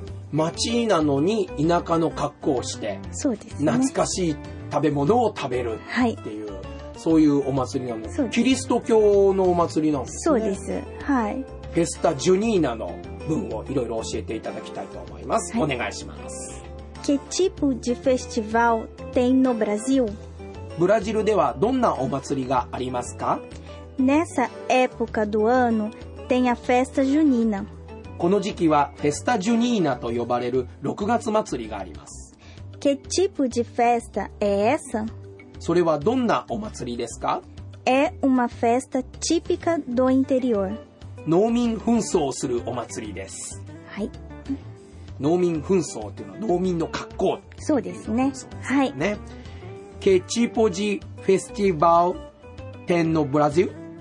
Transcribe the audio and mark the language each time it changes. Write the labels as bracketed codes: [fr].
[ja] 街なのに田舎の格好をして、そうですね、懐かしい食べ物を食べるっていう、はい、そういうお祭りなんです。キリスト教のお祭りなんですね。そうです。はい、フェスタ・ジュニーナの文をいろいろ教えていただきたいと思います。はい、お願いします。 [pt] Que tipo de festival tem no Brasil? [ja] ブラジルではどんなお祭りがありますか。 [pt] Nessa época do ano tem a festa junina。 [ja] この時期はフェスタ・ジュニーナと呼ばれる6月祭りがあります。 [pt] Que tipo de festa é essa? [ja] それはどんなお祭りですか。 [pt] É uma festa típica do interior。 [ja] 農民紛争をするお祭りです。はい、農民紛争というのは農民の格好。そうですね。はい、 [pt] Que tipo de festival tem no Brasil?